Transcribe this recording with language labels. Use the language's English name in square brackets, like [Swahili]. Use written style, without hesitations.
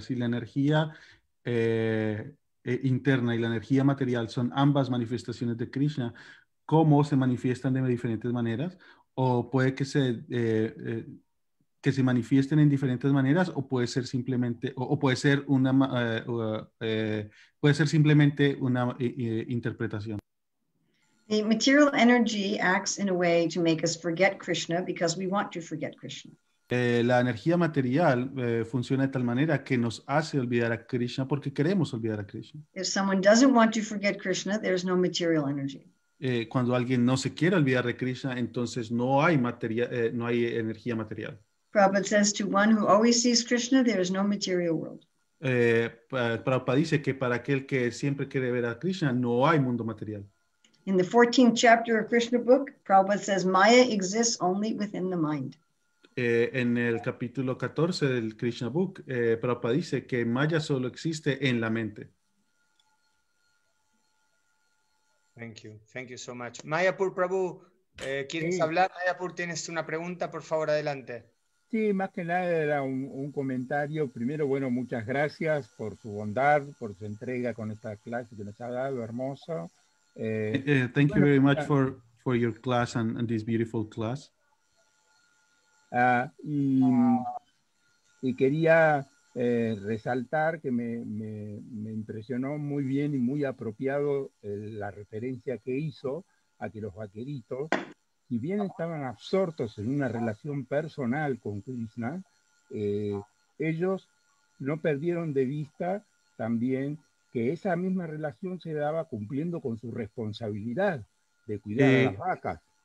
[Spanish] Si la energía interna y la energía material son ambas manifestaciones de Krishna, ¿cómo se manifiestan de diferentes maneras? ¿O puede que se manifiesten en diferentes maneras, o puede ser simplemente una interpretación? [English] The material energy acts in a way to make us forget Krishna because we want to forget Krishna. [Spanish] La energía material funciona de tal manera que nos hace olvidar a Krishna porque queremos olvidar a Krishna. [English] If someone doesn't want to forget Krishna, there's no material energy. [Spanish] Cuando alguien no se quiere olvidar de Krishna, entonces no hay energía material. [English] Prabhupada says, to one who always sees Krishna, there is no material world. [Spanish] Prabhupada dice que para aquel que siempre quiere ver a Krishna, no hay mundo material. [English] In the 14th chapter of Krishna book, Prabhupada says, Maya exists only within the mind. [Spanish] En el capítulo 14 del Krishna book, Prabhupada dice que Maya solo existe en la mente. [English] Thank you so much. Mayapur Prabhu, [Spanish] ¿quieres hablar? Mayapur, tienes una pregunta, por favor, adelante. Sí, más que nada era un comentario. Primero, bueno, muchas gracias por su bondad, por su entrega con esta clase que nos ha dado, hermoso. [English] Thank you very much for your class and this beautiful class. [Spanish] Y quería resaltar que me impresionó muy bien y muy apropiado la referencia que hizo a que los vaqueritos, si bien estaban absortos en una relación personal con Krishna, ellos no perdieron de vista también que esa misma relación se daba cumpliendo con su responsabilidad de cuidar a las vacas.